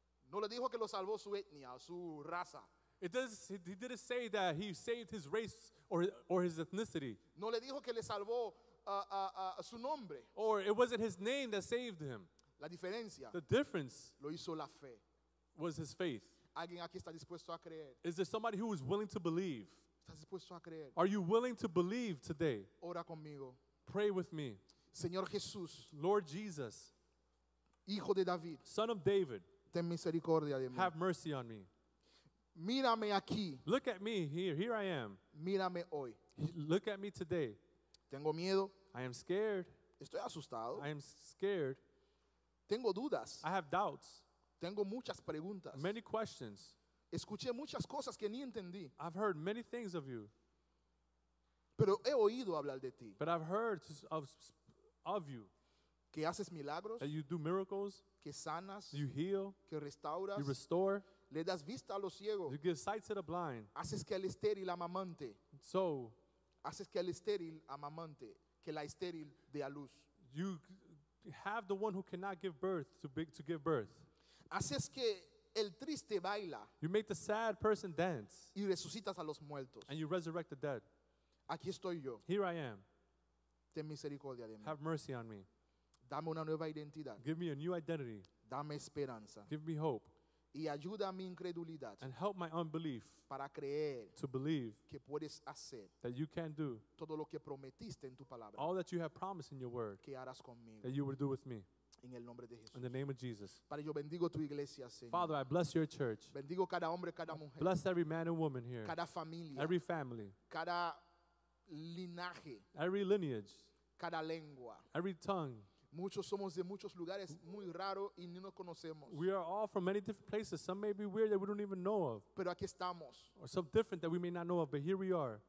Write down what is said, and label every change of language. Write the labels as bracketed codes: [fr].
[es] No le dijo que lo salvó su etnia, su raza. [en] He didn't say that he saved his race or his ethnicity. [es] No le dijo que le salvó su nombre. [en] Or it wasn't his name that saved him. [es] La diferencia. [en] The difference. [es] Lo hizo la fe. [en] Was his faith. [es] ¿Alguien aquí está dispuesto a creer? [en] Is there somebody who is willing to believe? [es] ¿Estás dispuesto a creer? [en] Are you willing to believe today? [es] Ora conmigo. [en] Pray with me. [es] Señor Jesús. [en] Lord Jesus. [es] Hijo de David. [en] Son of David. [es] Ten misericordia de mí. [en] Have mercy on me. [es] Mírame aquí. [en] Look at me here. Here I am. [es] Mírame hoy. [en] Look at me today. [es] Tengo miedo. [en] I am scared. [es] Estoy asustado. [en] I am scared. [es] Tengo dudas. [en] I have doubts. [es] Tengo muchas preguntas. [en] Many questions. [es] Escuché muchas cosas que ni entendí. [en] I've heard many things of you. [es] Pero he oído hablar de ti. [en] But I've heard of you. [es] Que haces milagros. [en] That you do miracles. [es] Que sanas. [en] You heal. [es] Que restauras. [en] You restore. [es] Le das vista a los ciegos. [en] You give sight to the blind. [es] Haces que el estéril amamante. [en] So. [es] Haces que el estéril amamante, que la estéril dé a luz. [en] You have the one who cannot give birth to give birth. [es] Haces que el triste baila. [en] You make the sad person dance. [es] Y resucitas a los muertos. [en] And you resurrect the dead. [es] Aquí estoy yo. [en] Here I am. [es] Ten misericordia de mí. [en] Have mercy on me. [es] Dame una nueva identidad. [en] Give me a new identity. [es] Dame esperanza. [en] Give me hope. [es] Y ayuda mi incredulidad. [en] And help my unbelief. [es] Para creer. [en] To believe. [es] Que puedes hacer. [en] That you can do. [es] Todo lo que prometiste en tu palabra. [en] All that you have promised in your word. [es] Que harás conmigo. [en] That you will do with me. [es] En el nombre de Jesús. [en] In the name of Jesus. [es] Padre, yo bendigo tu iglesia, Señor. [en] Father, I bless your church. [es] Bendigo cada hombre, cada mujer. [en] Bless every man and woman here. [es] Cada familia. [en] Every family. [es] Cada linaje. [en] Every lineage. [es] Cada lengua. [en] Every tongue. [es] Muchos somos de muchos lugares muy raros y no nos conocemos. [en] We are all from many different places. Some may be weird that we don't even know of. [es] Pero aquí estamos. [en] Or some different that we may not know of, but here we are.